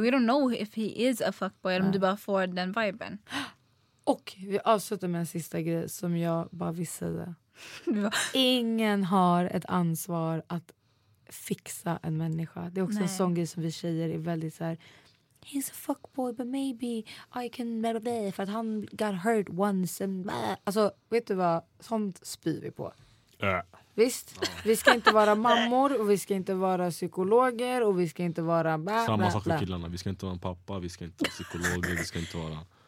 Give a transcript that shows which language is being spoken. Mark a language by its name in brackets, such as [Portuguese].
[English] We don't know if he is a fuckboy [Swedish] eller om du bara får den viben. Och vi avslutar med en sista grej som jag bara vill säga. Ingen har ett ansvar att fixa en människa. Det är också en sån grej som vi tjejer är väldigt så här. [English] He's a fuckboy, but maybe I can better be. [Swedish] För att han [English] got hurt once and blah. [Swedish] Alltså, vet du vad? Sånt spyr vi på. Visst? Vi ska inte vara mammor och vi ska inte vara psykologer och vi ska inte vara blah, samma blah, sak blah. För killarna. Vi ska inte vara en pappa, vi ska inte vara psykologer, vi ska inte vara...